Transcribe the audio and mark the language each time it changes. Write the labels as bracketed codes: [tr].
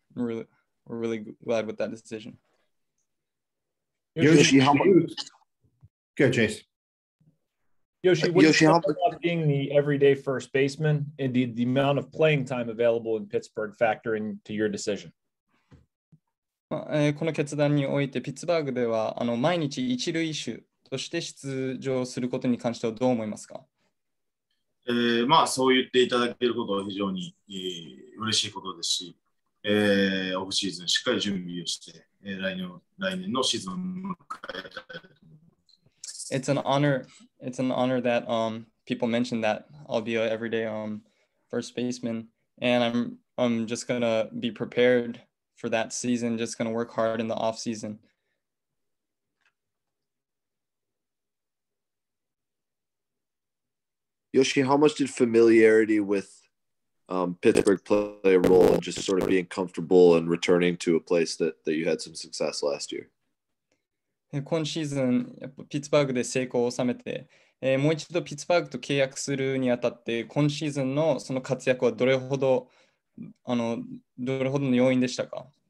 [en] We're really glad with that decision. Yoshi, how about you? Good, Chase. Yoshi, what do you think about being the everyday first baseman and the amount of playing time available in Pittsburgh factor into your decision? [ja] この決断においてピッツバーグでは毎日一塁手として出場することに関してはどう思いますか？そう言っていただけることは非常に嬉しいことですし、オフシーズンしっかり準備をして、来年のシーズンを迎えたいと思います。 [en] It's an honor that people mentioned that I'll be an everyday first baseman, and I'm just gonna be prepared for that season. Just gonna work hard in the off season. Yoshi, how much did familiarity with Pittsburgh play a role in just sort of being comfortable and returning to a place that you had some success last year? [ja] 今シーズン、やっぱピッツバーグで成功を収めて、もう一度ピッツバーグと契約するにあたって、今シーズンのその活躍はどれほどの要因でしたか？